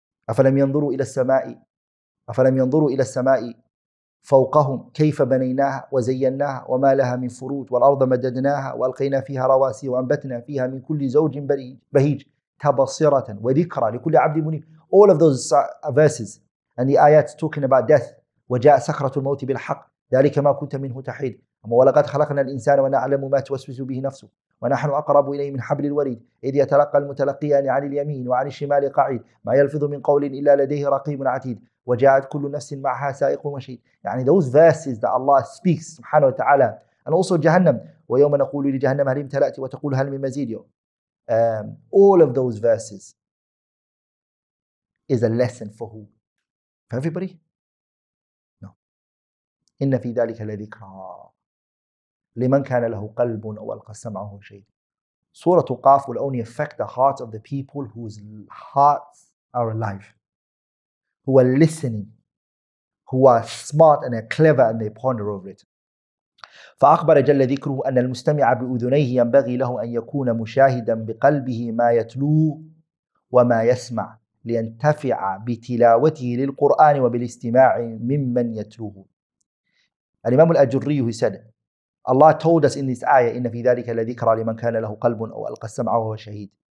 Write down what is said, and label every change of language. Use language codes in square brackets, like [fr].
[ar] أَفَلَمْ يَنْظُرُوا إِلَى السَّمَاءِ أَفَلَمْ يَنْظُرُوا إِلَى السَّمَاءِ فوقهم كيف بنيناها وزيناها وما لها من فروج والأرض مددناها وألقينا فيها رواسي وأنبتنا فيها من كل زوج بهيج تبصرة وذكرى لكل عبد منيب. [en] All of those verses and the ayats talking about death. [ar] وجاء سكرة الموت بالحق ذلك ما كنت منه تحيد. ولقد خلقنا الإنسان ونعلم ما توسوس به نفسه ونحن أقرب إليه من حبل الوريد إذ يتلقى المتلقيان عن اليمين وعن الشمال قعيد ما يلفظ من قول إلا لديه رقيب عتيد وجاءت كل نفس معها سائق ومشيد. يعني [en] those verses that Allah speaks [ar] سبحانه وتعالى [en] and also [ar] جهنم ويوم نقول لجهنم هل امتلأت وتقول هل من مزيد. [en] All of those verses is a lesson for who? For everybody? No. [ar] إن في ذلك لذكرى لمن كان له قلب أو ألقى السمع وهو شهيد. [en] سورة قاف will only affect the hearts of the people whose hearts are alive, who are listening, who are smart and are clever and they ponder over it. [ar] فأخبر جل ذكره أن المستمع بأذنيه ينبغي له أن يكون مشاهدا بقلبه ما يتلوه وما يسمع لينتفع بتلاوته للقرآن وبالاستماع ممن يتلوه. الإمام الأجري [en] he said, Allah told us in this ayah, [ar] إِنَّ فِي ذَلِكَ لَذِكْرَى لِمَنْ كَانَ لَهُ قَلْبٌ أَوْ أَلْقَى السَّمْعَ وَهُوَ شَهِيدٌ.